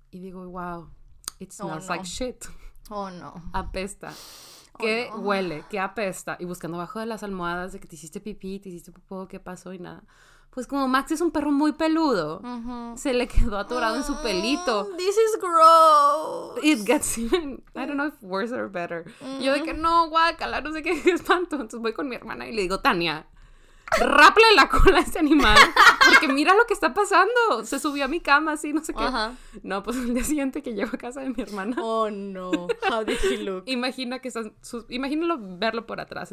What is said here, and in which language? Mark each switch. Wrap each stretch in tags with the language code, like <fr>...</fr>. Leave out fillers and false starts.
<es>Y digo,</es> <en>wow, it smells like shit. Oh, no.</en> <es>Apesta. ¿Qué huele? ¿Qué apesta? Y buscando abajo de las almohadas de que te hiciste pipí, te hiciste popó, ¿qué pasó? Y nada. Pues como Max es un perro muy peludo, se le quedó atorado en su pelito.</es> <en>This is gross. It gets even, I don't know if worse or better.</en> <es>Yo de que no, guácala, no sé qué, qué espanto. Entonces voy con mi hermana y le digo, Tania, ráplale la cola a este animal, porque mira lo que está pasando. Se subió a mi cama, así, no sé qué. No, pues el día siguiente que llego a casa de mi hermana.</es> <en>Oh, no. How did he look?</en> <es>Imagina que están, imagínalo verlo por atrás.</es>